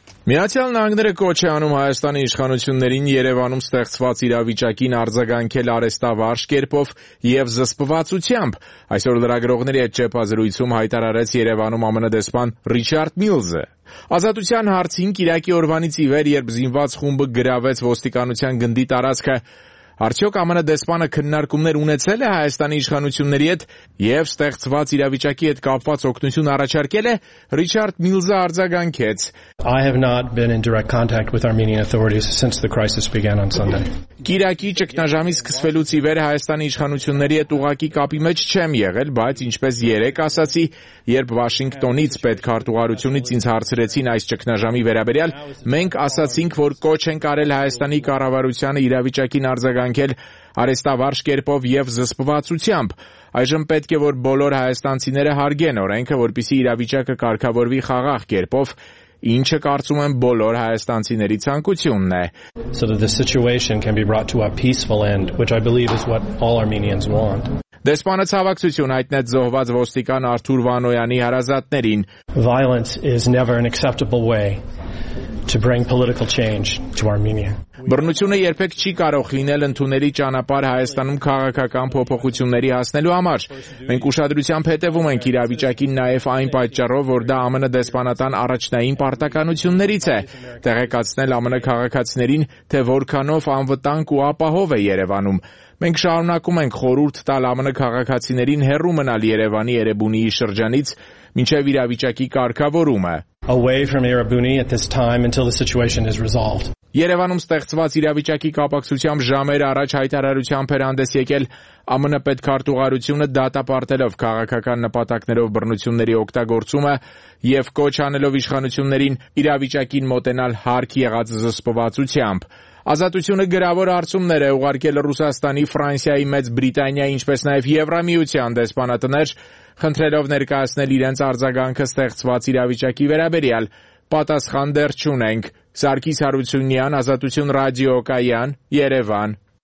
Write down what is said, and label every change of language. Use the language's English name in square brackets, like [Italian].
[Armenian] Միացյալ Նահանգները կոչ է անում Հայաստանի իշխանություններին Երևանում ստեղծված իրավիճակին արձագանքել արեստավարժ կերպով և զսպվածությամբ։ Այսօր լրագրողների հետ ճեպազրույցում հայտարարեց Երևանում ԱՄՆ դեսպան Ռիչարդ Միլզը։ Ազատության հարցին կիրակի օրվանից ի վեր, երբ զինված խումբը գրավեց ոստիկանության գնդի տարածքը, արդյոք ԱՄՆ դեսպանը քննարկումներ ունեցել է Հայաստանի իշխանությունների հետ և ստեղծված իրավիճակի հետ կապված օգնություն առաջարկել է, Ռիչարդ Միլզը արձագանքեց. [English] I have not been in direct contact with Armenian authorities since the crisis began on Sunday. [Armenian] Կիրակի ճգնաժամի սկսվելուց ի վեր Հայաստանի իշխանությունների հետ ուղակի կապի մեջ չեմ եղել, բայց ինչպես երեկ ասացի, երբ Վաշինգտոնից պետքարտուղարությունից ինձ հարցրեցին այս ճգնաժամի վերաբերյալ, մենք ասացինք, որ կոչ ենք արել Հայաստանի կառավարությանը իրավիճակին արձագանքել արեստավարժ կերպով և զսպվածությամբ։ Այժմ պետք է, որ բոլոր հայաստանցիները հարգեն օրենքը, որպեսզի իրավիճակը կարգավորվի խաղաղ կերպով, ինչը կարծում եմ բոլոր հայաստանցիների ցանկությունն է. [English] So that the situation can be brought to a peaceful end, which I believe is what all Armenians want. [Armenian] Դեսպանը ցավակցություն հայտնեց զոհված ոստիկան Արթուր Վանոյանի հարազատներին. [English] Violence is never an acceptable way to bring political change to Armenia. [Armenian] Բռնությունը երբեք չի կարող լինել ընդունելի ճանապարհ Հայաստանում քաղաքական փոփոխությունների հասնելու համար։ Մենք ուշադրությամբ հետևում ենք իրավիճակին նաև այն պատճառով, որ դա ԱՄՆ դեսպանատան առաջնային պարտականություններից է՝ տեղեկացնել ԱՄՆ քաղաքացիներին, թե որքանով անվտանգ ու ապահով է Երևանում։ Մենք շարունակում ենք խորհուրդ տալ ԱՄՆ քաղաքացիներին հեռու մնալ Երևանի Էրեբունիի շրջանից, ինչպես իրավիճակի կարգավորումը։ [English] Away from Erebuni at this time until the situation is resolved. [Armenian] Երևանում ստեղծված իրավիճակի կապակցությամբ ժամեր առաջ հայտարարությամբ էր հանդես եկել ԱՄՆ պետքարտուղարությունը, դատապարտելով քաղաքական նպատակներով բռնությունների օգտագործումը և կոչ անելով իշխանություններին իրավիճակին մոտենալ հարկ եղած զսպվածությամբ։ Ազատությունը գրավոր արցումներ է ուղարկել Ռուսաստանի, Ֆրանսիայի, Մեծ Բրիտանիայի, ինչպես նաև Եվրամիության դեսպանատներ, խնդրելով ներկայացնել իրենց արձագանքը ստեղծված իրավիճակի վերաբերյալ։ Պատասխան դեռ չունենք։ Սարգիս Հարությունյան, Ազատություն ռադիոկայան, Երևան։